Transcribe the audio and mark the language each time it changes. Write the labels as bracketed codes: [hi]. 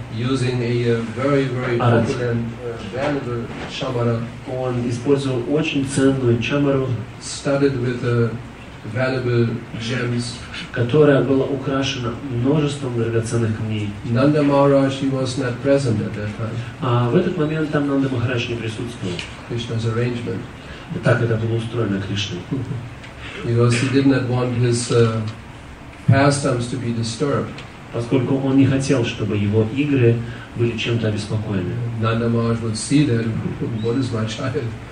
[en] Using a very, very popular and valuable chamara. [ru] Он использовал очень ценную чамару. [en] Studded with valuable gems. [ru] Которая была украшена множеством драгоценных камней. [en] Nanda Maharaj, he was not present at that time. [ru] А в этот момент там Нанда Махарадж не присутствовал. [en] Krishna's arrangement. [ru] Так это было устроено Кришной. [en] Because he did not want his pastimes to be disturbed. [ru] Поскольку он не хотел, чтобы его игры были чем-то обеспокоены. [en] Nanda Maharaj would see that, what is my child?